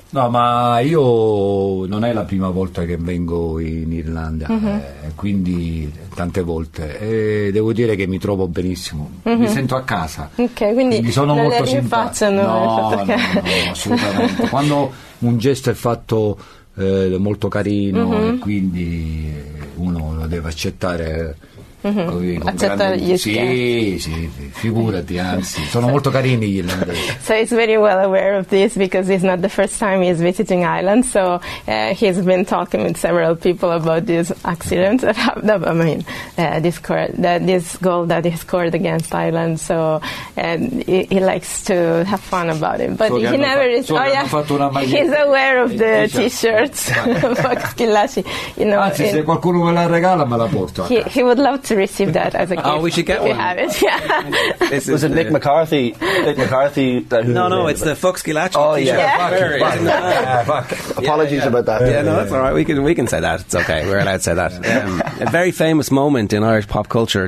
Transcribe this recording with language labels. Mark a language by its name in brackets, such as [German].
[Italian] No, ma io non è la prima volta che vengo in Irlanda, quindi tante volte. E devo dire che mi trovo benissimo, mi sento a casa. Ok, quindi mi sono molto simpatico. No, assolutamente. Quando un gesto è fatto molto carino, e quindi uno lo deve accettare. [English] So he's very well aware of this because it's not the first time he's visiting Ireland, so he's been talking with several people about this accident this goal that he scored against Ireland, so and he likes to have fun about it, but so he never is he's aware of the t-shirts Fox Killashi, you know. [Italian] Anzi, se qualcuno me la regala me la porto a casa. [English] He would love to receive that as a gift. Oh, we should get if one. You have it. Yeah. Was it Nick McCarthy? Nick McCarthy? No, it's the Fox Gilacci. Oh, yeah. Apologies about that. Yeah, no, that's all right. We can say that. It's okay. We're allowed to say that. A very famous moment in Irish pop culture.